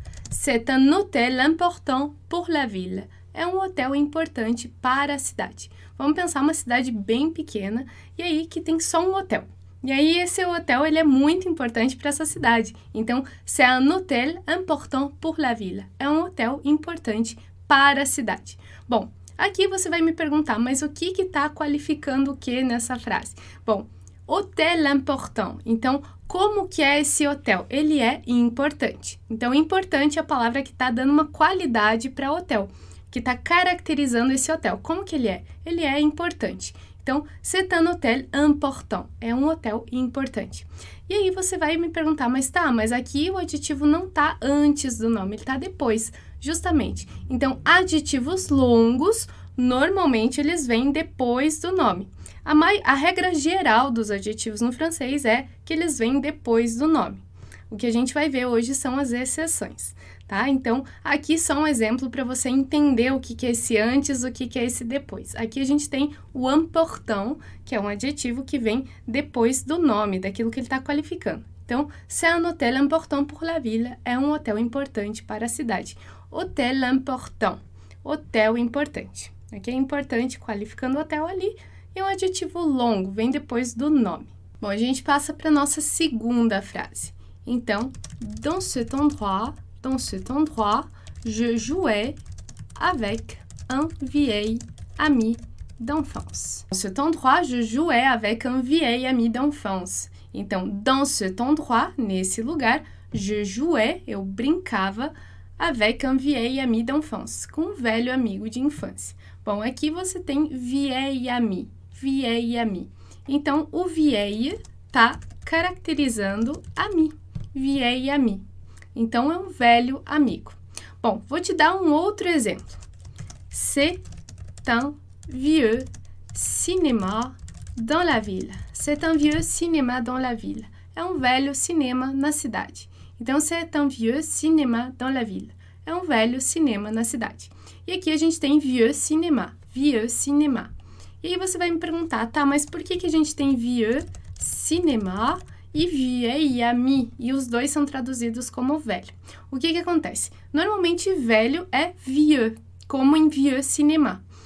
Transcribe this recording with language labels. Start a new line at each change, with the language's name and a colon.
French: C'est un hôtel important pour la ville.
Portuguese: É um hotel importante para a cidade. Vamos pensar uma cidade bem pequena e aí que tem só um hotel. E aí esse hotel ele é muito importante para essa cidade.
French: Então, c'est un hôtel important pour la ville.
Portuguese: É um hotel importante para a cidade. Bom, aqui você vai me perguntar, mas o que que está qualificando o que nessa frase? Bom, hôtel important. Então, como que é esse hotel? Ele é importante. Então, importante é a palavra que está dando uma qualidade para o hotel, que está caracterizando esse hotel. Como que ele é? Ele é importante. Então,
French: c'est un hôtel important.
Portuguese: É um hotel importante. E aí você vai me perguntar, mas aqui o adjetivo não está antes do nome, ele está depois, justamente. Então, adjetivos longos, normalmente eles vêm depois do nome. A regra geral dos adjetivos no francês é que eles vêm depois do nome. O que a gente vai ver hoje são as exceções, tá? Então, aqui só um exemplo para você entender o que que é esse antes, o que que é esse depois. Aqui a gente tem o important, que é um adjetivo que vem depois do nome, daquilo que ele está qualificando.
French: Então, c'est un hôtel important pour la ville.
Portuguese: É um hotel importante para a cidade. Hôtel important, hotel importante. Aqui é importante qualificando o hotel ali, e é um adjetivo longo, vem depois do nome. Bom, a gente passa para nossa segunda frase.
French: Então, dans cet endroit, je jouais avec un vieil ami d'enfance. Dans cet endroit, je jouais avec un vieil ami d'enfance.
Portuguese: Então,
French: dans cet endroit,
Portuguese: nesse lugar,
French: je jouais,
Portuguese: eu brincava
French: avec un vieil ami d'enfance,
Portuguese: com um velho amigo de infância. Bom, aqui você tem vieil ami. Então, o vieil tá caracterizando ami. Vieil ami. Então é um velho amigo. Bom, vou te dar um outro exemplo.
French: C'est un vieux cinéma dans la ville. C'est un vieux cinéma dans la ville.
Portuguese: É um velho cinema na cidade.
French: Então, c'est un vieux cinéma dans la ville.
Portuguese: É um velho cinema na cidade. E aqui a gente tem vieux cinéma. Vieux cinéma. E aí você vai me perguntar, tá, mas por que que a gente tem vieux cinéma e vieil ami, e os dois são traduzidos como velho. O que que acontece? Normalmente velho é vieux, como em vieux cinéma.